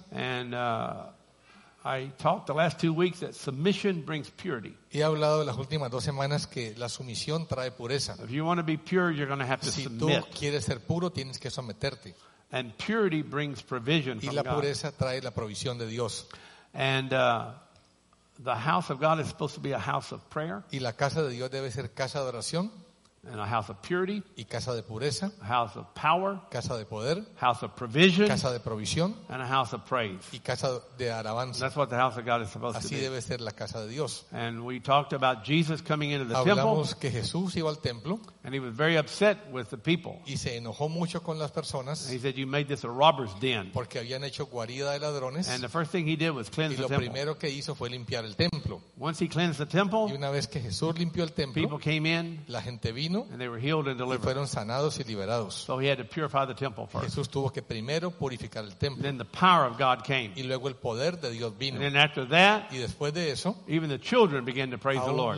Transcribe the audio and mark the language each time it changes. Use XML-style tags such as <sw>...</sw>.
<en>And I talked the last 2 weeks that submission brings purity.</en> <es>He hablado las últimas dos semanas que la sumisión trae pureza.</es> <en>If you want to be pure, you're going to have to submit.</en> <es>Si tú quieres ser puro, tienes que someterte.</es> <en>And purity brings provision from God.</en> <es>Y la pureza trae la provisión de Dios.</es> <en>And the house of God is supposed to be a house of prayer.</en> <es>Y la casa de Dios debe ser casa de oración.</es> <en>And a house of purity.</en> <es>Y casa de pureza.</es> <en>A house of power.</en> <es>Casa de poder.</es> <en>House of provision.</en> <es>Casa de provisión.</es> <en>And a house of praise.</en> <es>Y casa de alabanza.</es> <en>That's what the house of God is supposed</en> <es>Así</es> <en>to</en> <es>debe</es> <en>be.</en> <es>Ser la casa de Dios.</es> <en>And we talked about Jesus coming into the</en> <es>Hablamos</es> <en>temple.</en> <es>Hablamos que Jesús iba al templo.</es> <en>And he was very upset with the people.</en> <es>Y se enojó mucho con las personas.</es> <en>And he said, "You made this a robber's den."</en> <es>Porque habían hecho guarida de ladrones.</es> <en>And the first thing he did was cleanse the temple.</en> <es>Y lo primero que hizo fue limpiar el templo.</es> <en>Once he cleansed the temple.</en> <es>Y una vez que Jesús limpió el templo.</es> <en>People came in.</en> <es>La gente vino.</es> <en>And they were healed and delivered.</en> <es>Y fueron sanados y liberados.</es> <en>So he had to purify the temple first.</en> <es>Jesús tuvo que primero purificar el templo.</es> <en>Then the power of God came.</en> <es>Y luego el poder de Dios vino.</es> <en>And then after that,</en> <es>y después de eso,</es> <en>even the children began to praise the Lord.</en>